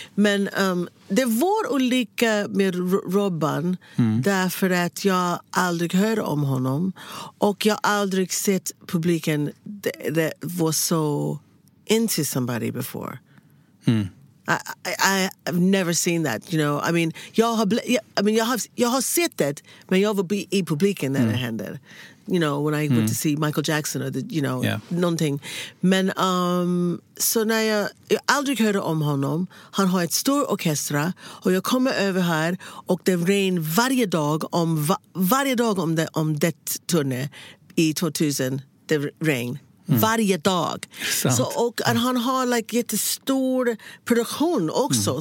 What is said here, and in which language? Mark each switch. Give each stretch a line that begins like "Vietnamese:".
Swedish: Men det var olika med Robban därför att jag aldrig hörde om honom och jag aldrig sett publiken
English: that was so into somebody before. I've never seen that, you know. I mean,
Swedish: jag har sett det, men jag var i publiken när det hände.
English: You know, when I went to see Michael Jackson or the, you know, nånting.
Swedish: Men så när jag aldrig hörde om honom, han har ett stort orkestra och jag kommer över här och det regnade varje dag om det turné i 2000. Det regnade varje dag. Så, och han har, like, jättestor produktion också.